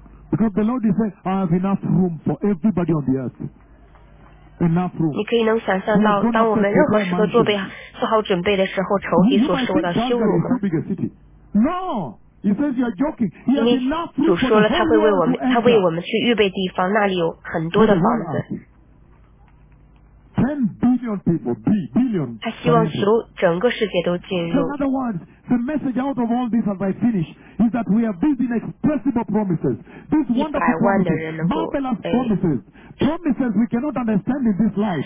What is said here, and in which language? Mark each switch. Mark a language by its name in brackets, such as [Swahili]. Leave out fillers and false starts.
[English] Because the Lord is saying, I have enough room for everybody on the earth. Enough room. [Chinese] 你可以能想象到，当我们任何时刻做备做好准备的时候，仇敌所受的羞辱吗？ [English] No. He says you are joking. He has enough room for the whole world. [Chinese] 他会为我们，他为我们去预备地方，那里有很多的房子。 [English] 10 billion people, billion. [Chinese] 他希望所有整个世界都进入。 [English] In other words, the message out of all this, as I finish, is that we are these inexpressible promises, these wonderful promises, marvelous promises, promises we cannot understand in this life.